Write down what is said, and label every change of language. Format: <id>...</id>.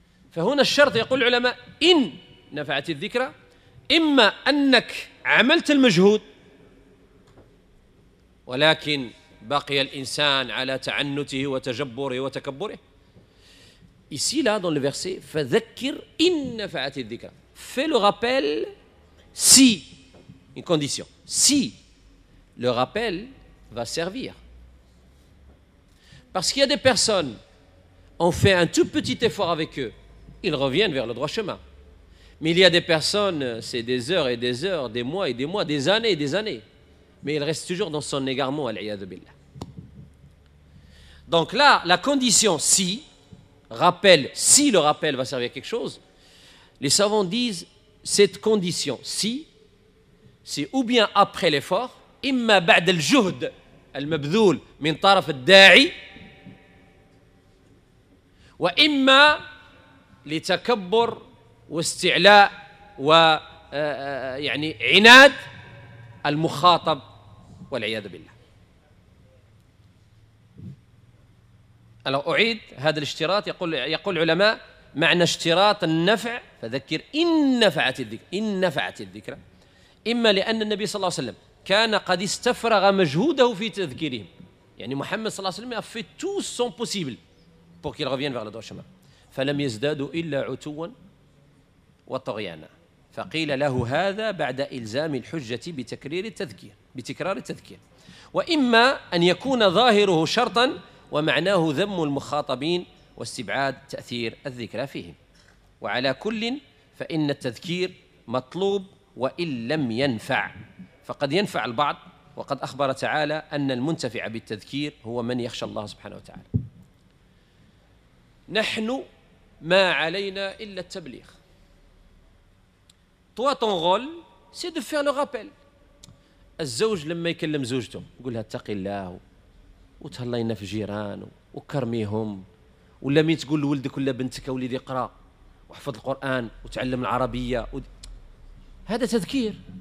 <ar>فهنا الشرط يقول العلماء إن نفعت الذكرى، إما أنك عملت المجهود ولكن بقي الإنسان على تعنته وتجبره وتكبره.</ar> <fr>ici là dans le verset</fr> <ar>فذكر إن نفعت الذكرى.</ar> <fr>fais le rappel si une condition si le rappel va servir. parce qu'il y a des personnes on fait un tout petit effort avec eux ils reviennent vers le droit chemin. Mais il y a des personnes, c'est des heures et des heures, des mois et des mois, des années et des années. Mais il reste toujours dans son égarement,</fr> <ar>al-iyadu billah.</ar> <fr>Donc là, la condition si, rappel, si le rappel va servir à quelque chose, les savants disent cette condition si, c'est ou bien après l'effort,</fr> <ar>imma ba'd al-juhd al-mabdoul min taraf al-da'i, wa imma li takabbur واستعلاء و يعني عناد المخاطب والعياذ بالله. alors اعيد هذا الاشتراط. يقول العلماء معنى اشتراط النفع فذكر ان نفعت الذكرى اما لان النبي صلى الله عليه وسلم كان قد استفرغ مجهوده في تذكيرهم، يعني محمد صلى الله عليه وسلم في</ar> <fr>tout son possible pour qu'il revienne vers le droit chemin،</fr> <ar>فلم يزدادوا الا عتوا وطغيانا فقيل له هذا بعد إلزام الحجة بتكرار التذكير وإما أن يكون ظاهره شرطا ومعناه ذم المخاطبين واستبعاد تأثير الذكرى فيهم. وعلى كل فإن التذكير مطلوب وإن لم ينفع، فقد ينفع البعض، وقد أخبر تعالى أن المنتفع بالتذكير هو من يخشى الله سبحانه وتعالى. نحن ما علينا إلا التبليغ.</ar> <fr>Toi, ton rôle, c'est de faire le rappel.</fr> <ar>الزوج لما يكلم زوجته يقول لها اتقي الله وتهلينا في جيران وكرميهم، ولا مين تقول لولدك ولا بنتك وليدي اقرا واحفظ القران وتعلم العربيه هذا تذكير.</ar>